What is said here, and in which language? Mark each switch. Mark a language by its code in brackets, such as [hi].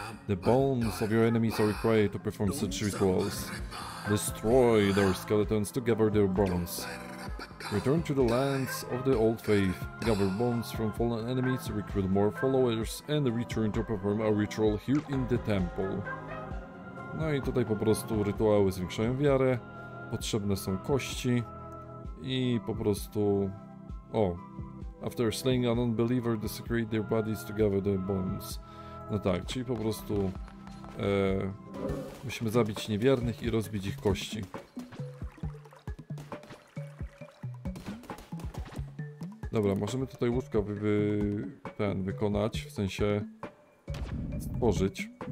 [en] The bones of your enemies are required to perform such rituals. Destroy their skeletons to gather their bones. Return to the lands of the old faith. Gather bones from fallen enemies, recruit more followers and return to perform a ritual here in the temple. [pl] No i tutaj po prostu rytuały zwiększają wiarę. Potrzebne są kości. I po prostu... O! [en] After slaying an unbeliever, desecrate their bodies to gather their bones. [pl] No tak, czyli po prostu... musimy zabić niewiernych i rozbić ich kości. Dobra, możemy tutaj łóżka wykonać, w sensie stworzyć.